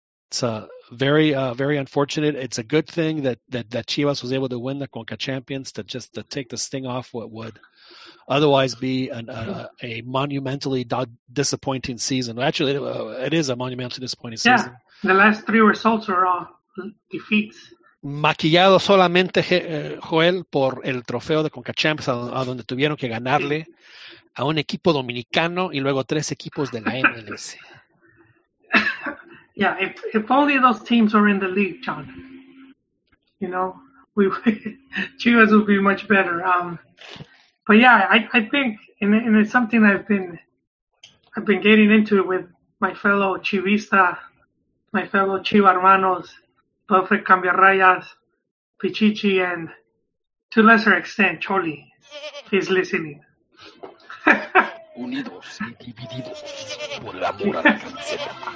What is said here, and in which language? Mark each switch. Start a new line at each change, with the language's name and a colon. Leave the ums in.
English: It's uh, very uh, very unfortunate. It's a good thing that, that that Chivas was able to win the Conca Champions to just to take the sting off what would otherwise be an, a, a monumentally do- disappointing season. Actually, it, uh, it is a monumentally disappointing Yeah. season. The last three results are all defeats.
Spanish: maquillado solamente Je- eh, Joel por el trofeo de CONCACHAMPS a, a donde tuvieron que ganarle a un equipo dominicano y luego tres equipos de la MLS.
English: Yeah, if if only those teams were in the league, John. You know, we Chivas would be much better. Um, but yeah, I I think and and it's something I've been I've been getting into with my fellow Chivista, my fellow Chiva hermanos, Buffett Cambiarrayas, Pichichi, and to lesser extent Choli. if He's listening.
Spanish: unidos y divididos por el amor a la camiseta.